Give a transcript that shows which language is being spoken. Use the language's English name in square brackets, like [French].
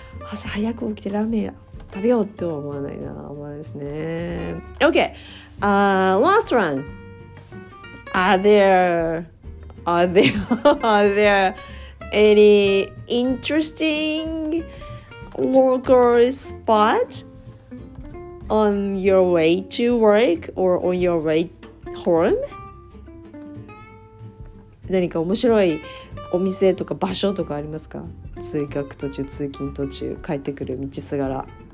[Japanese] 朝早く起きてラーメン食べようとは思わないな。思わないですね。 [English] Okay, last one. Are there any interesting local spot on your way to work or on your way home? [Japanese] 何か面白いお店とか場所とかありますか、通学途中、通勤途中、帰ってくる道すがら。